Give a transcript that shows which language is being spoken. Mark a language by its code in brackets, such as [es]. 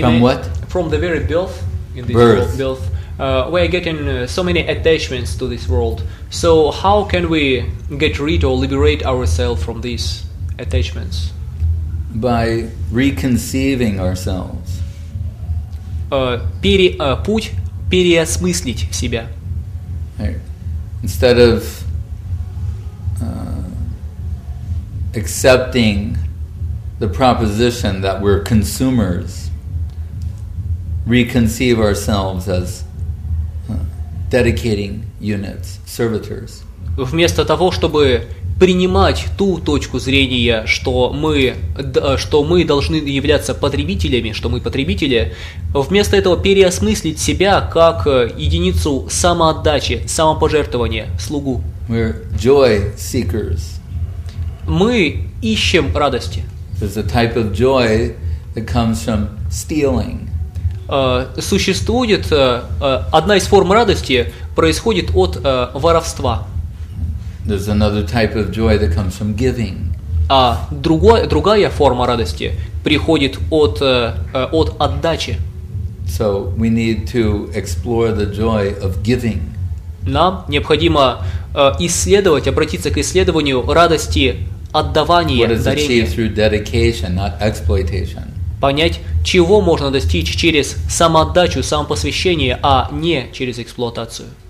[en] From what? From the very birth. In this birth. Birth. We're getting so many attachments to this world. So how can we get rid or liberate ourselves from these attachments? By reconceiving ourselves. [ru] Путь переосмыслить себя. [en] Instead of accepting the proposition that we're consumers, reconceive ourselves as dedicating units, servitors. [ru] Вместо того, чтобы принимать ту точку зрения, что мы должны являться потребителями, что мы потребители, вместо этого переосмыслить себя как единицу самоотдачи, самопожертвования, слугу. [en] We're joy seekers. [ru] Мы ищем радости. [en] There's a type of joy that comes from stealing. [ru] Существует одна из форм радости происходит от воровства. [en] There's another type of joy that comes from giving. [ru] А другая форма радости приходит от отдачи. [en] So we need to explore the joy of giving. [ru] Нам необходимо исследовать, обратиться к исследованию радости отдавания, дарения. [en] What is achieved through dedication, not exploitation? [ru] Понять, чего можно достичь через самоотдачу, самопосвящение, а не через эксплуатацию.